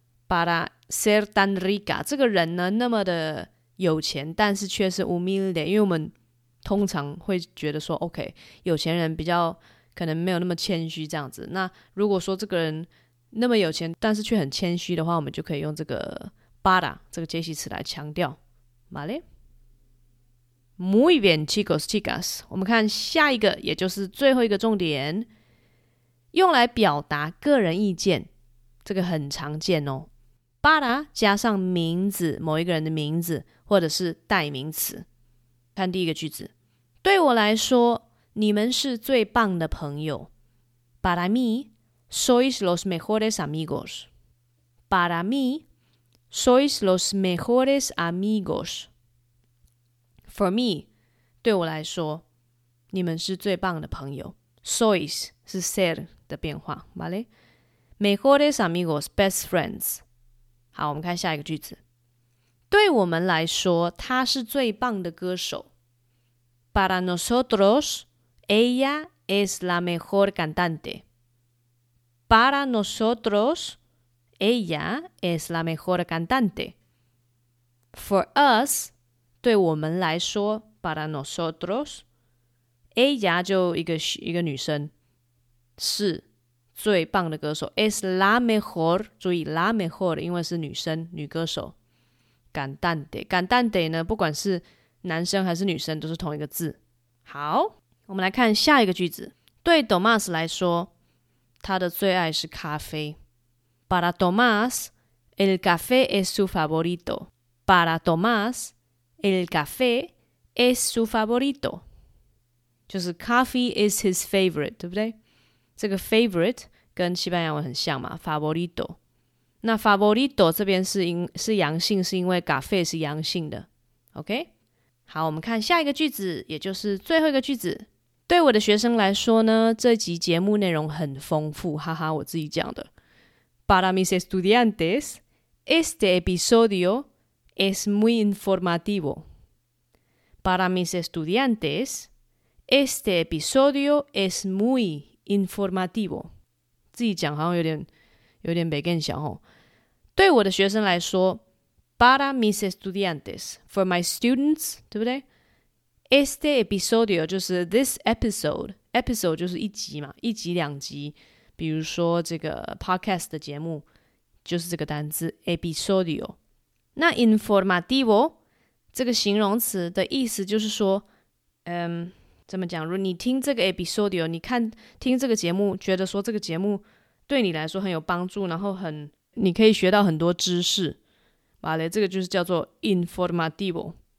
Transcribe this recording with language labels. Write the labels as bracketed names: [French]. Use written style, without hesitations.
[Spanish] para ser tan rica， [Chinese] 这个人呢那么的有钱，但是却是 humilde， 因为我们通常会觉得说 OK 有钱人比较可能没有那么谦虚这样子。那如果说这个人那么有钱但是却很谦虚的话，我们就可以用这个 para 这个介系词来强调。 [Spanish] vale？ Muy bien, chicos, chicas. [Chinese] 我们看下一个，也就是最后一个重点，用来表达个人意见，这个很常见哦。 Para 加上名字，某一个人的名字，或者是代名词。看第一个句子，对我来说，你们是最棒的朋友。 [Spanish] Para mí, sois los mejores amigos. Para mí, sois los mejores amigos. [English] For me， [Chinese] 对我来说，你们是最棒的朋友。 Sois 是 ser 的变化 ，vale？ [Spanish] Mejores amigos， [English] best friends。 [Chinese] 好，我们看下一个句子。对我们来说，他是最棒的歌手。 [Spanish] Para nosotros， ella es la mejor cantante。 Para nosotros， ella es la mejor cantante。 [English] For us。 [Chinese] 对我们来说 ， [Spanish] para nosotros， ella [Chinese] 就一个女生是最棒的歌手 ， [Spanish] es la mejor， [Chinese] 注意 [Spanish] la mejor， [Chinese] 因为是女生女歌手 ，cantante 呢，不管是男生还是女生都是同一个字。好，我们来看下一个句子，对 Tomás 来说，他的最爱是咖啡 ， [Spanish] para Tomás el café es su favorito， para Tomás。 El café es su favorito. [Chinese] 就是 [English] coffee is his favorite, [Chinese] 对不对？这个 favorite 跟西班牙文很像嘛， favorito. 那 favorito 这边是阳性，是因为 café 是阳性的。 [English] OK? [Chinese] 好，我们看下一个句子，也就是最后一个句子。对我的学生来说呢，这集节目内容很丰富，哈哈，我自己讲的。 [Spanish] Para mis estudiantes, este episodio... Es muy informativo. Para mis estudiantes, este episodio es muy informativo. [Chinese] 自己讲好像有点没跟上哦。对我的学生来说 ， [Spanish] para mis estudiantes, [English] for my students, [Chinese] 对不对 ？ [Spanish] Este episodio [Chinese] 就是 [English] this episode. [Chinese] Episode 就是一集嘛，一集两集。比如说这个 podcast 的节目，就是这个单字 episodio。那 informativo 这个形容词的意思就是说，怎么讲，如果你听这个 episode， 你看听这个节目，觉得说这个节目对你来说很有帮助，然后很你可以学到很多知识，vale， 这个就是叫做 informativo。